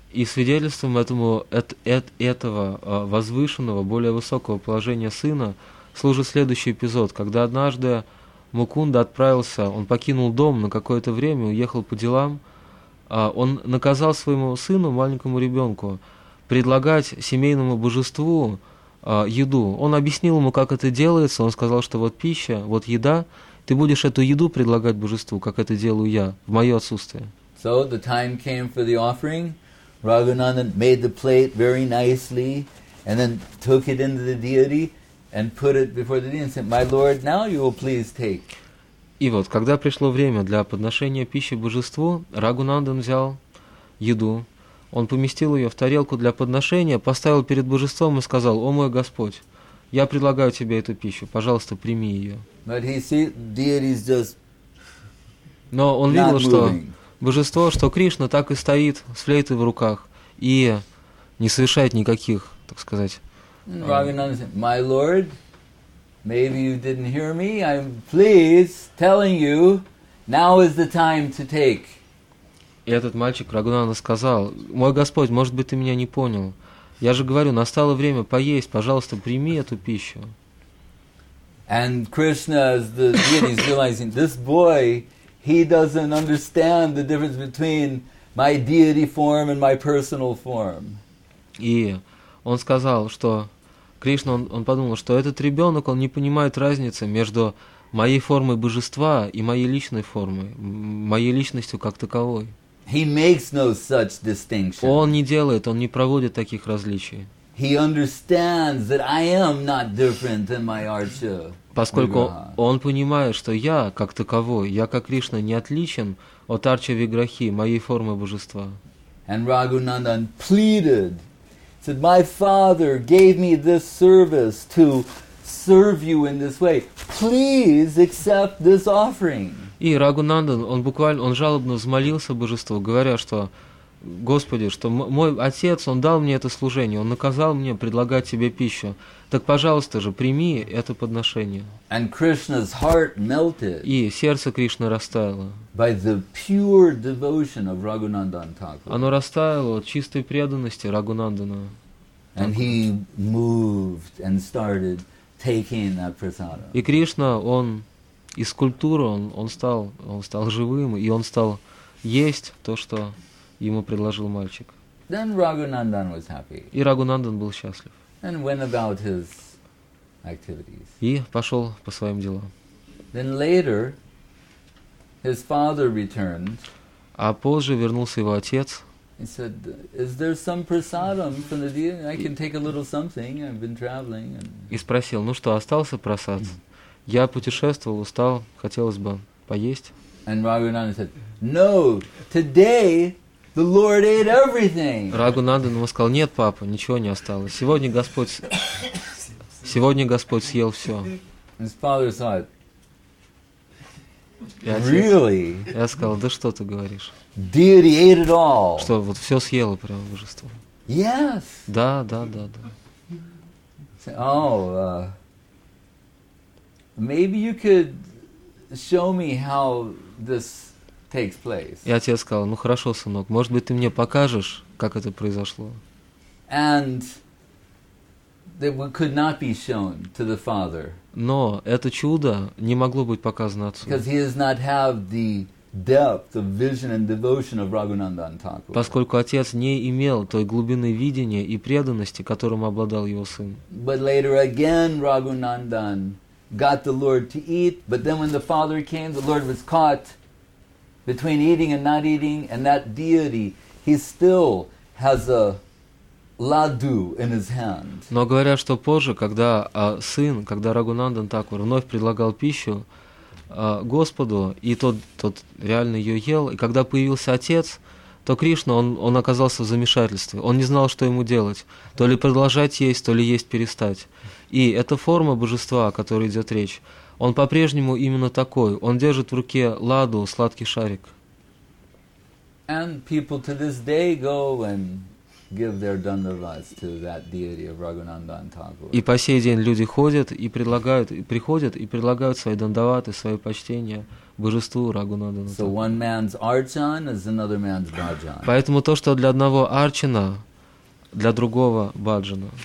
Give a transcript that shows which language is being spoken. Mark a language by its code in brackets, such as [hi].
[ru] И свидетельством этому этого возвышенного, более высокого положения сына служит следующий эпизод, когда однажды Мукунда отправился, он покинул дом на какое-то время, уехал по делам, он наказал своему сыну, маленькому ребенку, предлагать семейному божеству еду. Он объяснил ему, как это делается, он сказал, что вот пища, вот еда, ты будешь эту еду предлагать божеству, как это делаю я, в мое отсутствие. [en] So the time came for the offering. Raghunandan made the plate very nicely and then took it into the deity. And put it before the deity and said, "My lord, now you will please take." [ru] И вот, когда пришло время для подношения пищи божеству, Рагунандан взял еду, он поместил ее в тарелку для подношения, поставил перед божеством и сказал: "О мой Господь, я предлагаю тебе эту пищу, пожалуйста, прими ее." [en] But he see deity is just. [ru] Но он видел, что [en] moving. [ru] Божество, что Кришна, так и стоит с флейтой в руках и не совершает никаких, так сказать. [en] And Raghunandan said, "My lord, maybe you didn't hear me. I'm please telling you, now is the time to take." [ru] И этот мальчик Рагунанда сказал: "Мой господь, может быть, ты меня не понял. Я же говорю, настало время поесть. Пожалуйста, прими эту пищу." [en] And Krishna, as the deity, is realizing this boy, he doesn't understand the difference between my deity form and my personal form. [ru] И он сказал, что Кришна, он подумал, что этот ребенок, он не понимает разницы между моей формой божества и моей личной формой, моей личностью как таковой. [en] He makes no such distinction. [ru] Он не делает, он не проводит таких различий. [en] He understands that I am not different than my Arjuna. [ru] Поскольку он понимает, что я, как таковой, я, как Кришна, не отличен от Арча Виграхи, моей формы божества. [en] And Raghunandan pleaded, said, my father gave me this service to serve you in this way. Please accept this offering. [ru] И Рагунандан, он буквально, он жалобно взмолился божеству, говоря, что, Господи, что мой отец, он дал мне это служение, он наказал мне предлагать тебе пищу. Так, пожалуйста же, прими это подношение. [en] And Krishna's heart melted. [ru] И сердце Кришны растаяло. [en] By the pure devotion of Raghunandan Thakur. [ru] Оно растаяло от чистой преданности Рагунандана. [en] And he moved and started taking that prasadam. [ru] И Кришна, он из культуры, он стал живым, и он стал есть то, что ему предложил мальчик. [en] Then Raghunandan was happy. [ru] И Рагунандан был счастлив. [en] And went about his activities. [ru] И пошел по своим делам. [en] Then later, his father returned. [ru] А позже вернулся его отец. [en] He said, "Is there some prasadam from the deity? I can take a little something. I've been traveling." And... [ru] И спросил, ну что, остался прасад? Я путешествовал, устал, хотелось бы поесть. [en] And Raghunandan said, "No, today the Lord ate everything." [ru] Раghunandan ему сказал, нет, папа, ничего не осталось. Сегодня Господь съел все. [en] His father said, [ru] отец, [en] "Really?" [ru] Я сказал, да что ты говоришь? [en] Deity ate it all. [ru] Что вот все съело прямо божество? [en] Yes. [ru] Да, да, да, да. [en] Oh. Maybe you could show me how this takes place. [ru] Я тебе сказал, ну хорошо, сынок, может быть, ты мне покажешь, как это произошло. [en] And that could not be shown to the father. [ru] Но это чудо не могло быть показано отцу. [en] Because he does not have the depth of vision and devotion of Raghunandan Thakur. [ru] Поскольку отец не имел той глубины видения и преданности, которым обладал его сын. [en] But later again, Raghunandan got the Lord to eat, but then when the father came, the Lord was caught between eating and not eating, and that deity, he still has a ladu in his hand. [ru] Но говорят, что позже, когда сын, когда Рагунандан Такур вновь предлагал пищу Господу, и тот реально ее ел, и когда появился отец, то Кришна, он оказался в замешательстве. Он не знал, что ему делать. То ли продолжать есть, то ли есть перестать. И эта форма божества, о которой идет речь, он по-прежнему именно такой. Он держит в руке ладу, сладкий шарик. [en] And people to this day go and give their dandavas to that deity of Raghunandan Thakur. [ru] И по сей день люди ходят и предлагают, и приходят и предлагают свои дандаваты, свои почтения божеству Рагунандану. [en] So one man's archan is another man's bhajan. [ru] Поэтому то, что для одного арчана, для другого баджана.